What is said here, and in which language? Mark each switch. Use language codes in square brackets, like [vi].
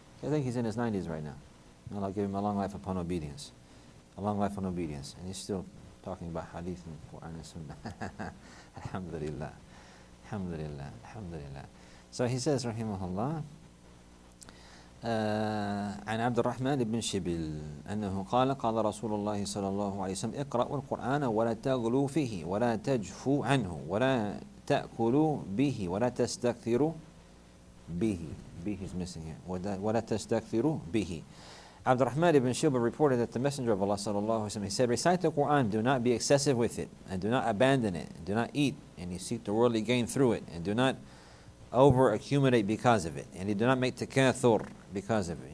[en] I think he's in his 90s right now. May Allah give him a long life upon obedience. A long life on obedience. And he's still talking about hadith and Quran and Sunnah. Alhamdulillah. Alhamdulillah. Alhamdulillah. So he says, [ar] rahimahullah, عن عبد الرحمن بن شبل أنه قال قال رسول الله صلى الله عليه وسلم اقرأوا القرآن ولا تغلوا فيه ولا تجفوا عنه ولا تأكلوا به ولا تستكثروا به. [en] به is missing here. [ar] ولا تستكثروا به. [en] عبد الرحمن بن شبل reported that the Messenger of Allah [ar] صلى الله عليه وسلم, [en] he said, recite the Quran, do not be excessive with it, and do not abandon it, do not eat and you seek the worldly gain through it, and do not over accumulate because of it, and you do not make takathur because of it.